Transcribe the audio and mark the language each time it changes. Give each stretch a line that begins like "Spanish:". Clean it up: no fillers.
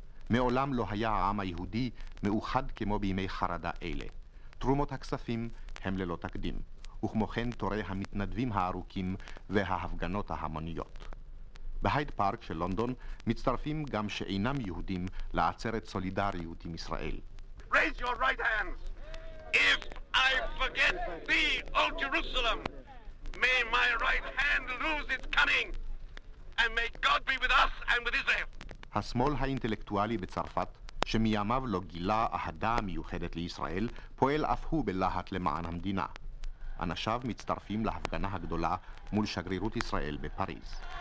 Hebrew: מעולם לא היה העם היהודי מאוחד כמו בימי חרדה אלה. תרומות הכספים הם ללא תקדים, וכמו כן תורי המתנדבים הארוכים וההפגנות ההמוניות. בהייד פארק של לונדון מצטרפים גם שאינם יהודים לעצרת סולידריות עם ישראל.
English: Raise your right hands. If I forget thee, O Jerusalem, may my right hand lose its cunning, and may God be with us and with Israel.
Hebrew: השמאל האינטלקטואלי בצרפת, שמימיו לא גילה אהדה מיוחדת לישראל, פועל אף הוא בלהט למען המדינה. אנשיו מצטרפים להפגנה הגדולה מול שגרירות ישראל בפריז.